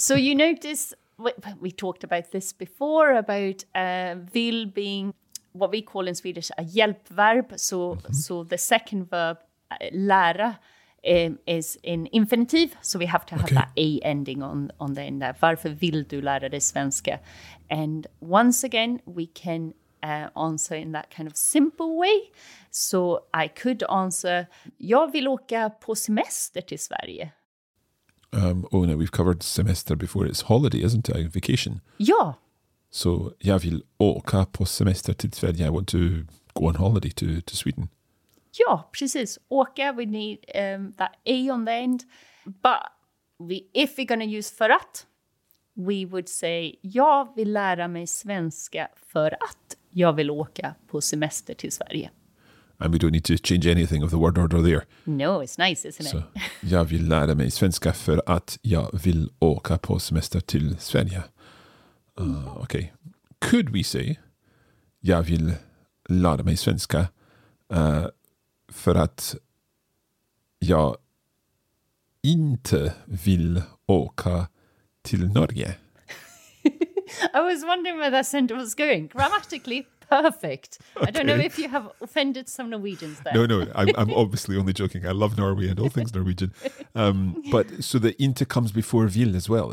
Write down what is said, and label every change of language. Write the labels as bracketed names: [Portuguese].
[English] So you notice, we talked about this before, about vill being what we call in Swedish a hjälpverb. So so the second verb, lära, is in infinitive. So we have to have that A ending on the end there. [Swedish] Varför vill du lära dig svenska? [English] And once again, we can answer in that kind of simple way. So I could answer, [Swedish] jag vill åka på semester till Sverige. [English] No, we've covered semester before. It's holiday, isn't it? Vacation. Yeah. So, [Swedish] jag vill åka på semester till Sverige. [English] I want to go on holiday to Sweden. Yeah, precis. Åka, we need that A on the end. But if we're going to use för att, we would say, [Swedish] jag vill lära mig svenska för att jag vill åka på semester till Sverige. [English] And we don't need to change anything of the word order there. No, it's nice, isn't it? [Swedish] So, jag vill lära mig svenska för att jag vill åka på semester till Sverige. Okay. [English] Could we say, [Swedish] jag vill lära mig svenska för att jag inte vill åka till Norge? [English] I was wondering where that sentence was going. Grammatically, Perfect. Okay. I don't know if you have offended some Norwegians there. No. I'm obviously only joking. I love Norway and all things Norwegian. But so the inte comes before vil as well.